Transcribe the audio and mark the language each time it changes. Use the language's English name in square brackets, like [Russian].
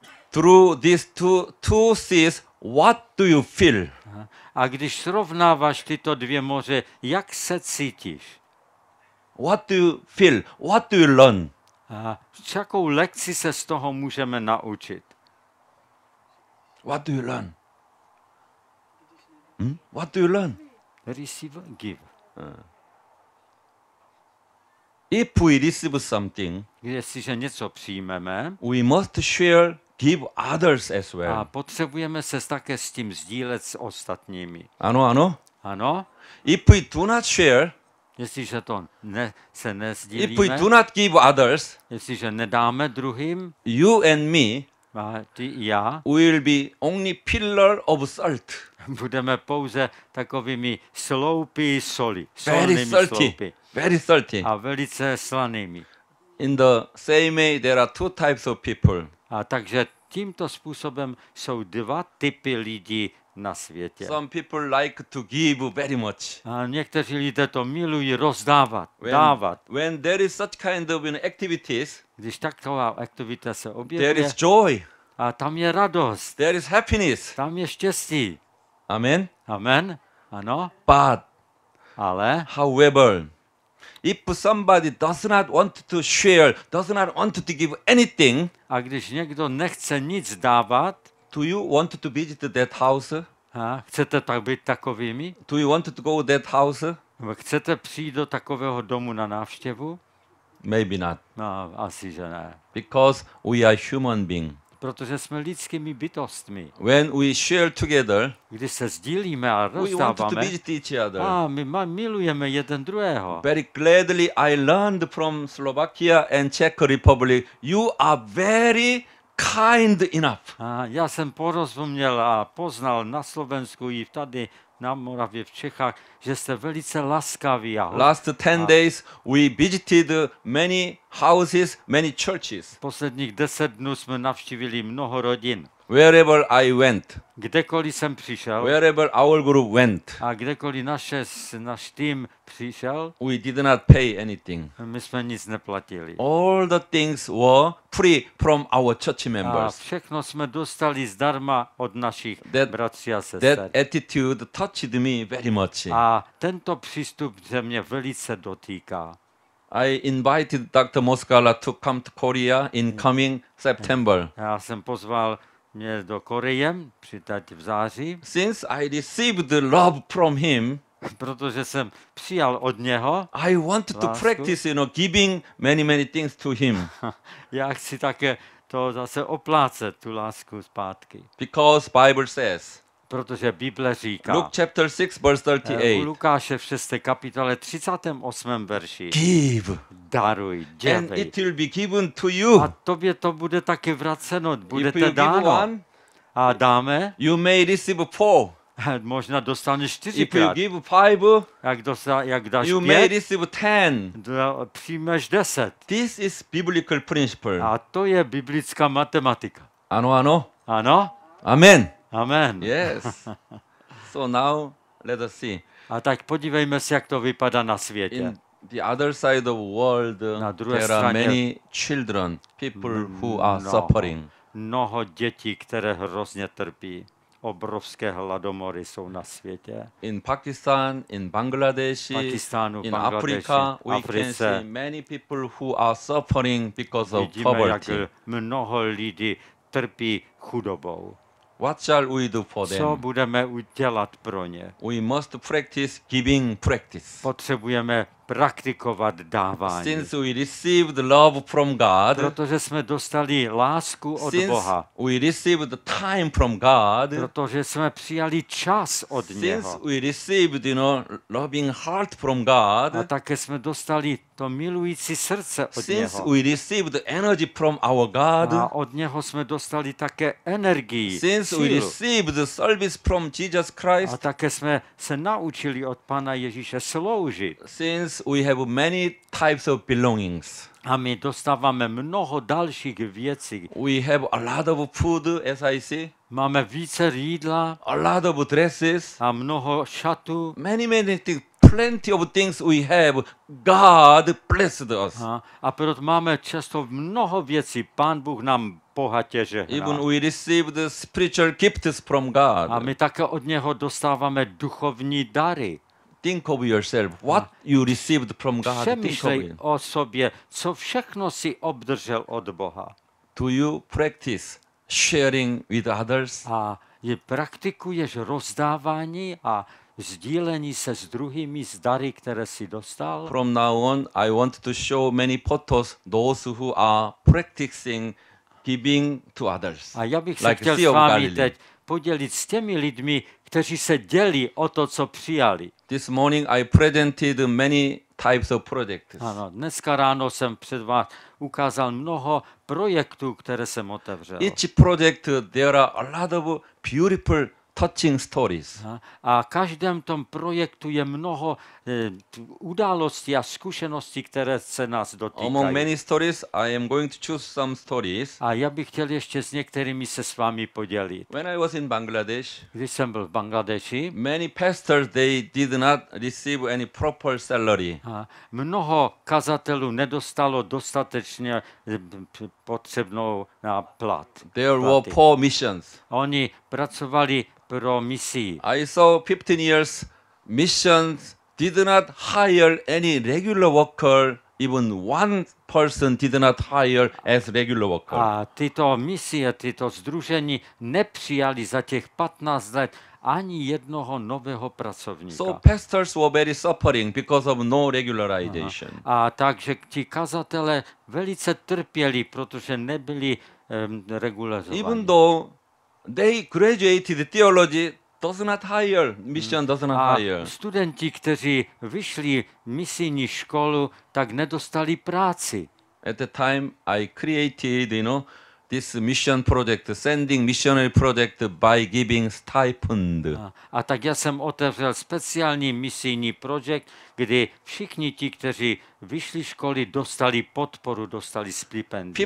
[English] Through these two seas, what do you feel? [Czech] A když srovnáváš tyto dvě moře, jak se cítíš? [English] What do you feel? What do you learn? [Czech] A jakou lekci se z toho můžeme naučit? [English] What do you learn? What do you learn? Receive, give. If we receive something, [Czech] jestliže něco přijmeme, [English] we must share, give others as well. [Czech] A potřebujeme se také s tím sdílet s ostatními. Ano, ano. Ano. [English] If we do not share, [Czech] jestliže to ne, se nesdílíme, [English] if we do not give others, [Czech] jestliže nedáme druhým, [English] you and me, [Czech] a ty i já, [English] will be only pillar of salt. [Czech] Budeme pouze takovými sloupy soli. [English] Very salty. [Czech] Sloupy. [English] Very salty. [Czech] A velice slanými. [English] In the same way, there are two types of people. [Czech] A takže tímto způsobem jsou dva typy lidí na světě. [English] Some people like to give very much. [Czech] A někteří lidé to milují rozdávat, [English] when, [Czech] dávat. [English] When there is such kind of activities, [Czech] když taková aktivita se objeví, [English] there is joy. [Czech] A tam je radost. [English] There is happiness. [Czech] Tam je štěstí. [English] Amen. [Czech] Amen. Ano. [English] But, [Czech] ale, [English] however, if somebody does not want to share, does not want to give anything, [Czech] a když někdo nechce nic dávat, [English] do you want to visit that house? [Czech] A chcete tak být takovými? [English] Do you want to go to that house? [Czech] Chcete přijít do takového domu na návštěvu? [English] Maybe not. [Czech] No, asi že ne. [English] Because we are human being. [Czech] Protože jsme lidskými bytostmi. [English] When we share together, [Czech] když se sdílíme a rozdáváme, my milujeme jeden druhého. [English] Very gladly I learned from Slovakia and Czech Republic. You are very kind enough. [Czech] Já jsem porozuměl a poznal na Slovensku i tady na Moravě v Čechách, že jste velice laskaví. [English] Last 10 days we visited many houses, many churches. [Czech] Posledních 10 dnů jsme navštívili mnoho rodin. [English] Wherever I went. [Czech] Kdekoliv jsem přišel. [English] Wherever our group went. [Czech] A kdekoliv náš tým přišel. [English] We did not pay anything. [Czech] My jsme nic neplatili. [English] All the things were free from our church members. [Czech] A všechno jsme dostali zdarma od našich bratří a sester. [English] That attitude touched me very much. [Czech] A tento přístup se mě velice dotýká. [English] I invited Dr. Moskala to come to Korea in coming September. [Czech] Já jsem pozval mě do Koreje přijet v září. [English] Since I received the love from him, [Czech] protože jsem přijal od něho, [English] I want to practice, you know, giving many many things to him. [Czech] Já chci také to zase oplácet tu lásku zpátky. [English] Because Bible says. [Czech] Protože Bible říká. [English] Luke chapter 6 verse 38. [Czech] U Lukáše v 6. kapitole 38. verši. [English] Give. [Czech] Daruj, dělej. [English] And it will be given to you. [Czech] A tobě to bude taky vraceno, budete dáno. A dáme. [English] You may receive four. [Czech] Možná dostaneš čtyřikrát. [English] If you give five, [Czech] jak dáš [English] you [Czech] pět, [English] may receive ten. [Czech] Přijmeš 10. [English] This is biblical principle. [Czech] A to je biblická matematika. Ano, ano. Ano. [English] Amen. [Czech] Amen. [English] Yes. So now let us see. [Czech] A tak podívejme se, jak to vypadá na světě. [English] In the other side of world, [Czech] na druhé [English] there [Czech] straně [English] are many children, people who are suffering. [Czech] Mnoho dětí, které hrozně trpí. Obrovské hladomory jsou na světě. [English] In Pakistan, in Bangladesh, [Czech] Pakistánu, [English] in Africa, [Czech] Africe, [English] we can see many people who are suffering because of [Czech] vidíme, [English] poverty. [Czech] Jak mnoho lidí trpí chudobou. [English] What shall we do for them? [Czech] Co budeme udělat pro ně? [English] We must practice giving practice. [Czech] Potřebujeme praktikovat dávání. [English] Since we received love from God, [Czech] protože jsme dostali lásku od [English] since [Czech] Boha. [English] We received time from God, [Czech] protože jsme přijali čas od [English] since [Czech] něho. [English] Since we received, you know, loving heart from God, [Czech] a také jsme dostali to milující srdce od [English] since [Czech] něho. [English] Since we received energy from our God, [Czech] a od něho jsme dostali také energii. [English] Since [Czech] sílu. [English] We received the service from Jesus Christ, [Czech] a také jsme se naučili od Pana Ježíše sloužit. [English] Since we have many types of belongings. [Czech] A my dostáváme mnoho dalších věcí. [English] We have a lot of food, as I see. [Czech] Máme více jídla. [English] A lot of dresses. [Czech] A mnoho šatů. [English] Many, many things. Plenty of things we have. God blessed us. [Czech] A proto máme často mnoho věcí. Pán Bůh nám bohatě žehná. [English] Even we receive the spiritual gifts from God. [Czech] A my také od něho dostáváme duchovní dary. [English] Think of yourself. What you received from God? [Czech] Přemýšlej o sobě, co všechno si obdržel od Boha. Do you practice sharing with others? A praktikuješ rozdávání a sdílení se s druhými z dary, které si dostal. [English] From now on, I want to show many photos those who are practicing giving to others. [Czech] A já bych se chtěl s vámi teď podělit s těmi lidmi, kteří se dělí o to, co přijali. [English] This morning I presented many types of projects. [Czech] Ano, dneska ráno jsem před vás ukázal mnoho projektů, které jsem otevřel. [English] Each project there are a lot of beautiful touching stories. [Czech] A každém tom projektu je mnoho událostí a zkušeností, které se nás dotýkají. [English] Among many stories, I am going to choose some stories. [Czech] A já bych chtěl ještě s některými se s vámi podělit. [English] When I was in Bangladesh, [Czech] když jsem byl v Bangladeši, [English] many pastors they did not receive any proper salary. [Czech] Mnoho kazatelů nedostalo dostatečně potřebnou na plat. [English] There were poor missions. [Czech] Oni pracovali pro misi. [English] I saw 15 years missions did not hire any regular worker, even one person did not hire as regular worker. [Czech] A tyto misie, tyto sdružení nepřijali za těch 15 let ani jednoho nového pracovníka. [English] So pastors were very suffering because of no regularization. [Czech] A takže ti kazatelé velice trpěli, protože nebyli regularizovaní. [English] Even though they graduated theology, does not hire, mission does not hire. [Czech] Studenti, kteří vyšli misijní školu, tak nedostali práci. [English] At the time I created, you know, this mission project, sending missionary project by giving stipend. [Czech] A tak já jsem otevřel speciální misijní projekt, kdy všichni ti, kteří vyšli školy, dostali podporu, dostali stipendium.